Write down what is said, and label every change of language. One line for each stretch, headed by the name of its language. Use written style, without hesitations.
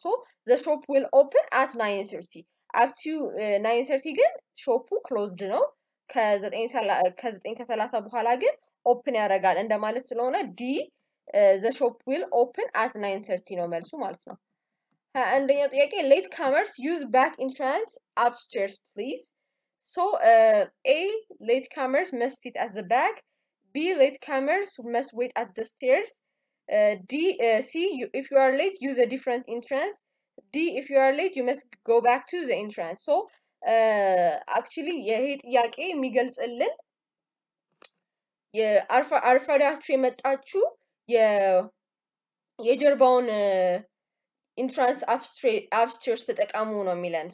English: So the shop will open at 9:30. Up to 9:30
Amharic: ግን ሾፑ
English: closed
Amharic: ነው. ከ9:30 በኋላ ግን open ያደርጋል እንደማለት ስለሆነ
English: D the shop will open at 9:30
Amharic: ነው መልሱ ማለት ነው. አንደኛው ጥያቄ
English: late comers use back entrance upstairs please. So A late comers must sit at the back. B late comers must wait at the stairs. D C if you are late use a different entrance. D if you are late you must go back to the entrance. So actually
Amharic: ይሄ ጥያቄ የሚገልጽልን የአርፋዳችሁ የመጣችሁ የጀርባውን
English: entrance upstairs
Amharic: ተጠቀሙ ነው የሚለን.